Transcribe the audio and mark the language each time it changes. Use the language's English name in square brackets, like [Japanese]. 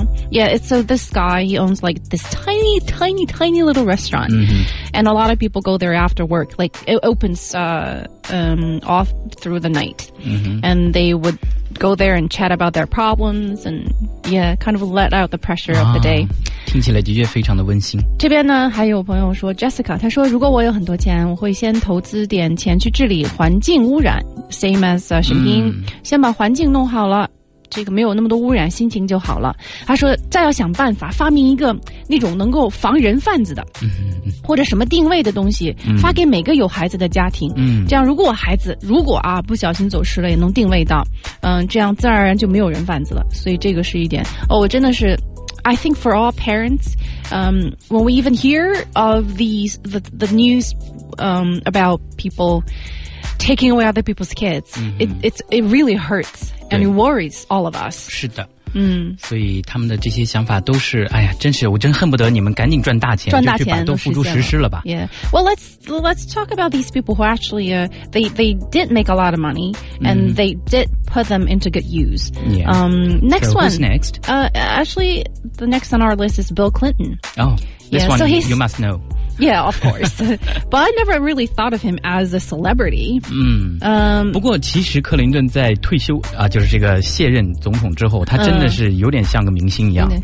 [English] Yeah, it's so this guy, he owns like this tiny, tiny, tiny little restaurant. And a lot of people go there after work. Like it opens off through the night. And they would go there and chat about their problems and yeah, kind of let out the pressure of the day. [Chinese] 听起来的确非常的温馨。这边呢，还有朋友说 Jessica， 他说，如果我有很多钱，我会先投资点钱去治理环境污染， [English] same as [Chinese] 沈冰，先把环境弄好了。这个没有那么多污染，心情就好了。他说再要想办法发明一个那种能够防人贩子的，嗯嗯，或者什么定位的东西，嗯，发给每个有孩子的家庭，嗯，这样如果孩子如果啊不小心走失了也能定位到，嗯，这样自然而然就没有人贩子了。所以这个是一点哦，我真的是 [English] I think for all parents, when we even hear of these, the news, about people taking away other people's kids, it really hurts and it worries all of us. [Chinese] 是的。嗯。所以他们的这些想法都是，哎呀，真是，我真恨不得你们赶紧赚大钱，赚大钱，都付诸实施了吧。 [English] Yeah. Well, let's talk about these people who actually, they did make a lot of money, and they did put them into good use. Yeah. Next so one. Who's next? Actually, the next on our list is Bill Clinton. Oh, this yeah, one, so he's, you must know. Yeah, of course. But I never really thought of him as a celebrity. [Chinese] 嗯，不过其实克林顿在退休啊，就是这个卸任总统之后，他真的是有点像个明星一样，